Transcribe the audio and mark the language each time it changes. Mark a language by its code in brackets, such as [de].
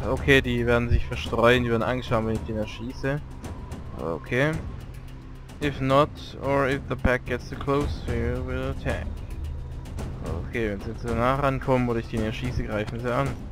[de] Okay, die werden sich verstreuen, die werden Angst haben, wenn ich den erschieße. Okay. [en] If not, or if the pack gets too close, we will attack. [de] Okay, wenn sie zu nah rankommen oder ich den erschieße, greifen sie an.